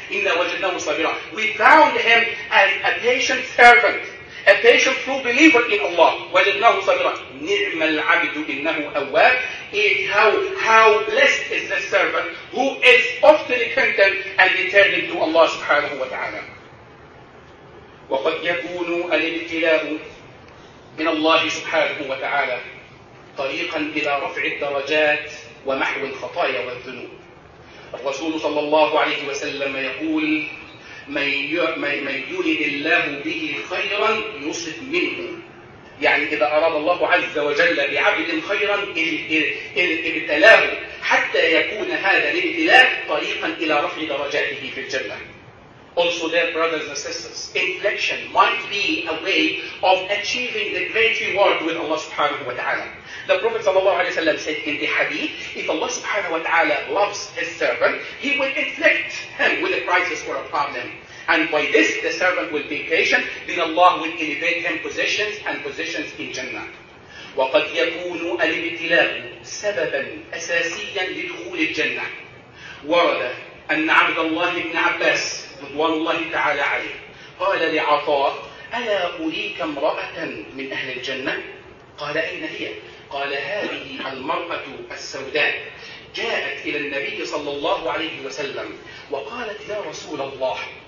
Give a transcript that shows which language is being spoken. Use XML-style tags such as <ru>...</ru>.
<ar>إِنَّا وَجَدْنَاهُ صَابِرًا</ar> <en>We found him as a patient servant. A patient true believer in Allah.</en> <ar>وَجَدْنَاهُ صَبِرًا نِعْمَ الْعَبْدُ إِنَّهُ أَوَّابٌ</ar> <en>How blessed is the servant who is often repentant and returning to Allah subhanahu wa ta'ala.</en> <ar>وَقَدْ يَكُونُ الْإِبْتِلَاءُ مِنَ اللَّهِ سُبْحَانَهُ وَتَعَالَى طَرِيقًا إِلَى رَفْعِ الدَّرَجَاتِ وَمَحْوِ الْخَطَايَا وَالذُّنُوبِ الرسول صلى الله عليه وسلم يقول من يرد الله به خيرا يصب منه يعني إذا أراد الله عز وجل بعبد خيرا ابتلاه حتى يكون هذا الابتلاء طريقا إلى رفع درجاته في الجنة</ar> <en>Also there, brothers and sisters, inflection might be a way of achieving the great reward with Allah subhanahu wa ta'ala. The Prophet sallallahu alayhi wa sallam said in the hadith, if Allah subhanahu wa ta'ala loves his servant, he will inflict him with a crisis or a problem. And by this, the servant will be patient, then Allah will elevate him positions and positions in Jannah.</en> <ar>وَقَدْ يَكُونُ الْإِبْتِلَاءُ سَبَبًا أَسَاسِيًا لِدْخُولِ الْجَنَّةِ وَرَدَ أَنَّ عَبْدَ اللَّهِ بْنِ عَبَّاسِ رضوان الله تعالى عليه قال لعطاء ألا أريك امرأة من أهل الجنة قال أين هي قال هذه المرأة السوداء جاءت إلى النبي صلى الله عليه وسلم وقالت يا رسول الله</ar>